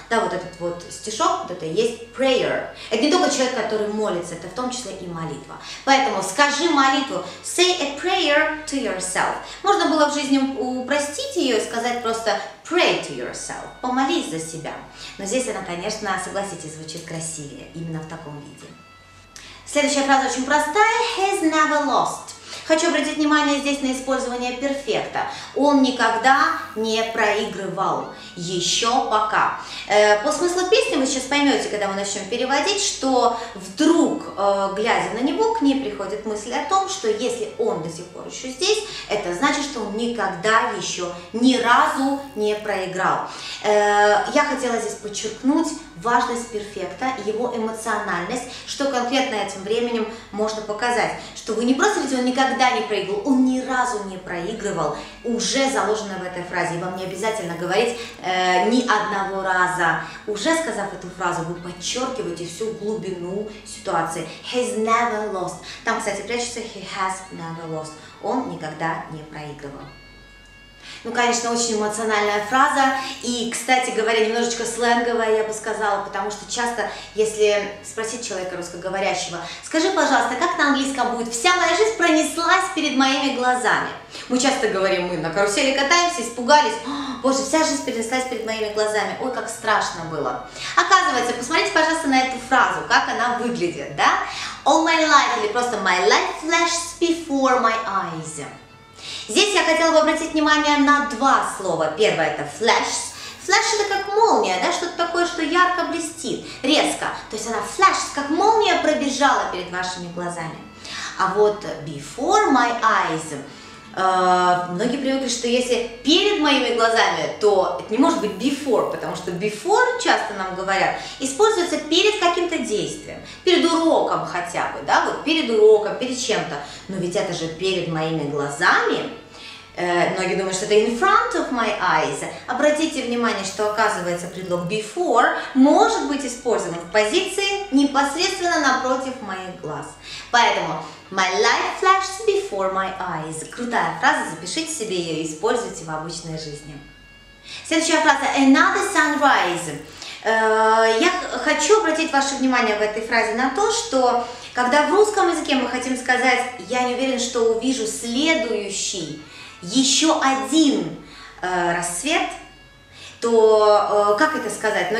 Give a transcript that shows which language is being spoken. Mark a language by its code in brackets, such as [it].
[ru] Да, вот этот вот стишок, вот это есть prayer. Это не только человек, который молится, это в том числе и молитва. Поэтому скажи молитву, [en] say a prayer to yourself. [ru] Можно было в жизни упростить ее и сказать просто [en] pray to yourself, [ru] помолись за себя. Но здесь она, конечно, согласитесь, звучит красивее, именно в таком виде. Следующая фраза очень простая, [en] has never lost. [ru] Хочу обратить внимание здесь на использование перфекта. Он никогда не проигрывал. Еще пока. По смыслу песни вы сейчас поймете, когда мы начнем переводить, что вдруг, глядя на него, к ней приходит мысль о том, что если он до сих пор еще здесь, это значит, что он никогда еще ни разу не проиграл. Я хотела здесь подчеркнуть важность перфекта, его эмоциональность, что конкретно этим временем можно показать, что вы не просто видите, он никогда не проигрывал, он ни разу не проигрывал, уже заложено в этой фразе, и вам не обязательно говорить ни одного раза. Уже сказав эту фразу, вы подчеркиваете всю глубину ситуации. [en] He's never lost. [ru] Там, кстати, прячется [en] he has never lost. [ru] Он никогда не проигрывал. Ну, конечно, очень эмоциональная фраза, и, кстати говоря, немножечко сленговая, я бы сказала, потому что часто, если спросить человека русскоговорящего, скажи, пожалуйста, как на английском будет «вся моя жизнь пронеслась перед моими глазами»? Мы часто говорим, мы на карусели катаемся, испугались, боже, вся жизнь пронеслась перед моими глазами, ой, как страшно было. Оказывается, посмотрите, пожалуйста, на эту фразу, как она выглядит, да? [en] All my life, [ru] или просто [en] my life flashes before my eyes. [ru] Здесь я хотела бы обратить внимание на два слова. Первое – это flash. Flash – это как молния, да, что-то такое, что ярко блестит, резко. То есть она flash, как молния пробежала перед вашими глазами. А вот [en] before my eyes, [ru] многие привыкли, что если перед моими глазами, то это не может быть before, потому что before, часто нам говорят, используется перед каким-то действием, перед уроком хотя бы, да, вот перед уроком, перед чем-то. Но ведь это же перед моими глазами. Многие думают, что это [en] in front of my eyes. [ru] Обратите внимание, что оказывается предлог before может быть использован в позиции непосредственно напротив моих глаз. Поэтому [en] my life flashes before my eyes. [ru] Крутая фраза, запишите себе ее и используйте в обычной жизни. Следующая фраза [en] another sunrise. [ru] Я хочу обратить ваше внимание в этой фразе на то, что когда в русском языке мы хотим сказать «я не уверен, что увижу следующий», еще один рассвет, то как это сказать?